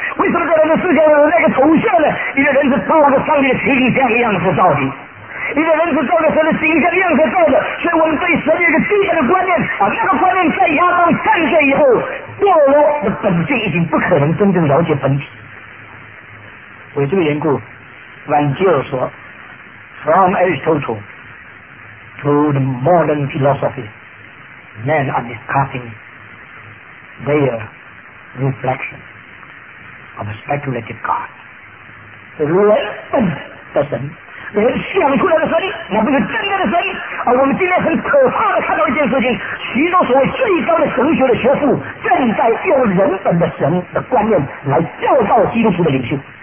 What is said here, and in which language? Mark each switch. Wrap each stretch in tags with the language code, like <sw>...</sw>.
<zh>为什么在人的思想里面有那个投射呢？一个人是照着上帝的形象的样子造的，一个人是照着神的形象的样子造的，所以我们对神有一个基本的观念，把那个观念在亚当犯罪以后堕落的本性已经不可能真正了解本体。为这个缘故，万杰尔说</zh> <en>From Aristotle to the modern philosophyMen are discussing their reflection of a speculative God.</en> <zh>人本的神，人想出来的神，那不是真正的神。而我们今天很可怕的看到一件事情，许多所谓最高的神学的学术正在用人本的神的观念来教导基督徒的领袖。</zh>